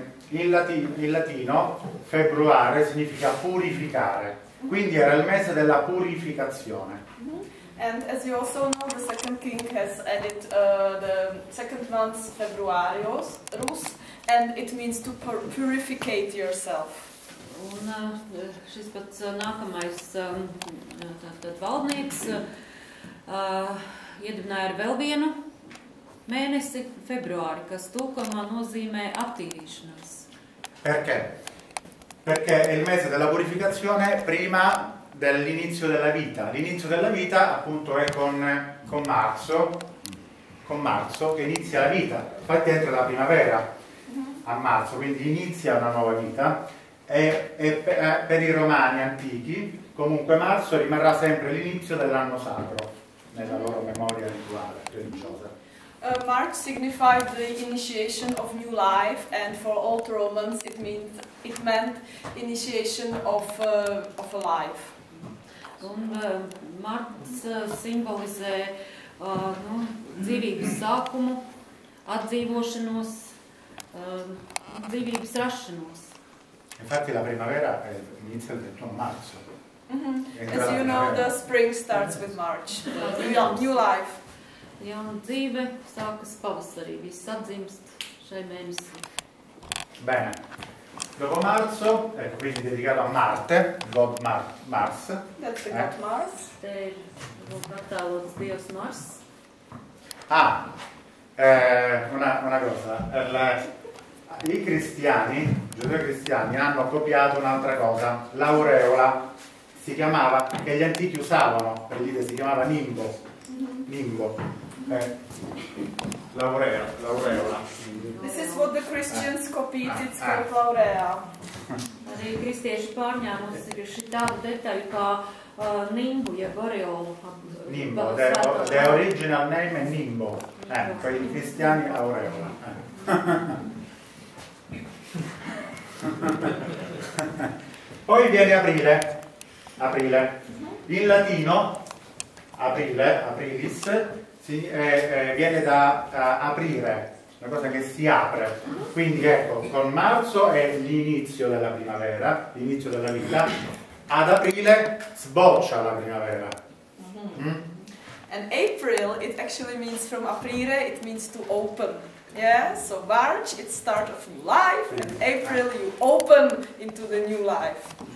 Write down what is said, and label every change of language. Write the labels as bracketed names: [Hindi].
[Italian] In latino, februare significa purificare, quindi era il mese della purificazione. [English] And as you also know, the second king has added the second month, Februarius, Rus, and it means to purificate yourself. [Latvian] Un šis pats nākamais tad valdnieks iedibināja ar vēl vienu mēnesi, februāri, kas tūkojumā nozīmē attīrīšanās. [Italian] Perché? Perché è il mese della purificazione prima dell'inizio della vita. L'inizio della vita appunto è con marzo che inizia la vita. Infatti entra la primavera a marzo, quindi inizia una nuova vita. E per i romani antichi, comunque marzo rimarrà sempre l'inizio dell'anno sacro nella loro memoria rituale religiosa. [English] March signified the initiation of new life, and for old Romans it meant initiation of a life. [Latvian] Marts simbolizē dzīvības sākumu, atdzīvošanos, dzīvības rašanos. [Italian] Infatti la primavera inizia il 21 marzo. [English] As you know, the spring starts with March. New life. [Latvian] Jauna dzīve sākas pavasarī. Viss atdzimst šai mēnesī. [Italian] Bene. Dopo marzo, ecco, quindi dedicato a Marte, God Mars. [English] That's the God Mars. [Latvian] Te ir attēlots Dievs Mars. [Italian] Una cosa. I cristiani, i giudei cristiani, hanno copiato un'altra cosa, l'aureola si chiamava, che gli antichi usavano, per dire si chiamava nimbo, nimbo, l'aureola. [English] This is what the Christians copied, it's called l'aurea. [Latvian] Arī kristieši pārņā mums ir šī tāda detaļa kā nimbu, jeb aureolu. [English] Nimbo, the original name is nimbo, [Italian] per i cristiani aureola. Poi viene aprile, in latino aprile, aprilis, viene da aprire, una cosa che si apre, quindi ecco, con marzo è l'inizio della primavera, l'inizio della vita, ad aprile sboccia la primavera. [English] And April, it actually means from aprire, it means to open. Yeah, so March, it's start of new life, and April, you open into the new life.